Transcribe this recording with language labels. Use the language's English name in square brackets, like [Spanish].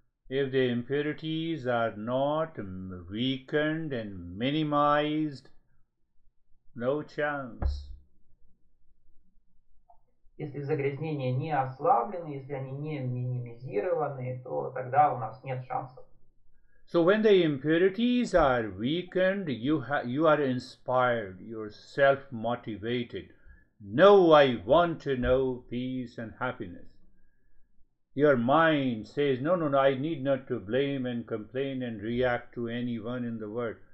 [English] If the impurities are not weakened and minimized, no chance. [Russian] Если загрязнения не ослаблены, если они не минимизированы, то тогда у нас нет шансов. [English] So when the impurities are weakened, you are inspired, you're self-motivated. No, I want to know peace and happiness. Your mind says, no, I need not to blame and complain and react to anyone in the world.